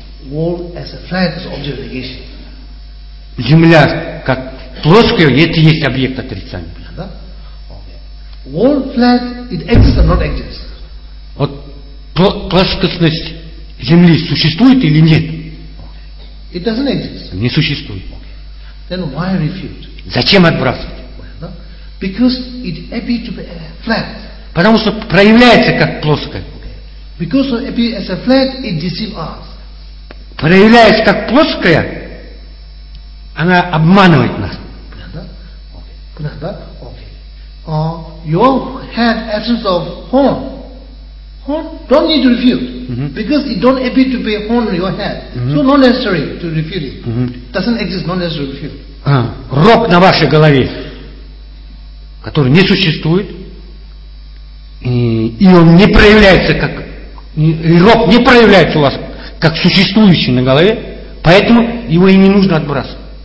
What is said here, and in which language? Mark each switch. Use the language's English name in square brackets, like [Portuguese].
[English] Wall as a flat is object of negation. [Russian] Земля как плоская, это есть объект отрицания. [English] Да? Okay. Wall flat, it exists or not exists? [Russian] Вот плоскостность земли существует или нет? [English] It doesn't exist. [Russian] Не существует. [English] Okay. Then why refute? [Russian] Зачем отбрасывать? [English] Well, because it appears to be flat. [Russian] Потому что проявляется как плоская. [English] Okay. Because it appears as a flat, it deceives us. [Russian] Проявляется как плоская, она обманывает нас. Понятно? Okay. [English] Your head absence of horn. Horn don't need to refute. Because it don't appear to be a horn on your head. So not necessary to refute it. Doesn't exist, not necessary to refute. [Russian] Рог на вашей голове, который не существует, и он не проявляется как... И рог не проявляется у вас как существующий на голове, поэтому его и не нужно отбрасывать.